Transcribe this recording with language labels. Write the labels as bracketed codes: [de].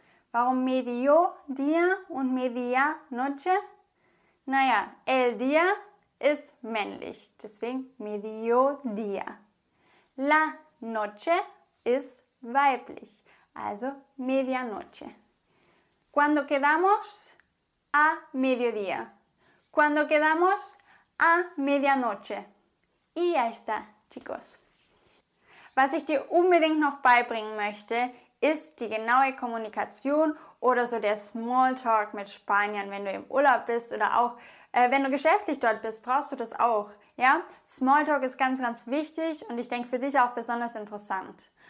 [de] Warum Mediodía und Medianoche? Naja, el día ist männlich, deswegen Mediodía. La noche ist weiblich, also Medianoche. [es] Cuando quedamos a mediodía. Cuando quedamos a medianoche. Y ya está, chicos. [de] Was ich dir unbedingt noch beibringen möchte, ist die genaue Kommunikation oder so der Smalltalk mit Spaniern, wenn du im Urlaub bist oder auch wenn du geschäftlich dort bist, brauchst du das auch. Ja? Smalltalk ist ganz, ganz wichtig und ich denke für dich auch besonders interessant.